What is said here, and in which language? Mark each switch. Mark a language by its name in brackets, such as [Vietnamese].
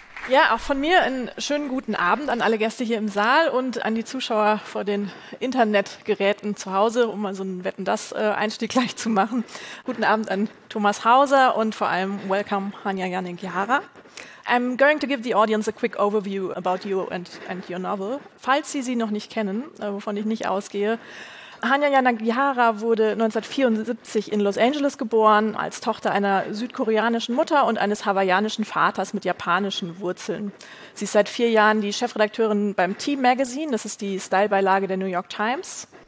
[German] Ja, auch von mir einen schönen guten Abend an alle Gäste hier im Saal und an die Zuschauer vor den Internetgeräten zu Hause, um mal so einen Wetten-das-Einstieg gleich zu machen. Guten Abend an Thomas Hauser und vor allem welcome Hanya Yanagihara. [English] I'm going to give the audience a quick overview about you and your novel. [German] Falls Sie sie noch nicht kennen, wovon ich nicht ausgehe, Hanya Yanagihara wurde 1974 in Los Angeles geboren, als Tochter einer südkoreanischen Mutter und eines hawaiianischen Vaters mit japanischen Wurzeln. Sie ist seit 4 Jahren die Chefredakteurin beim Team Magazine, das ist die Stylebeilage der New York Times.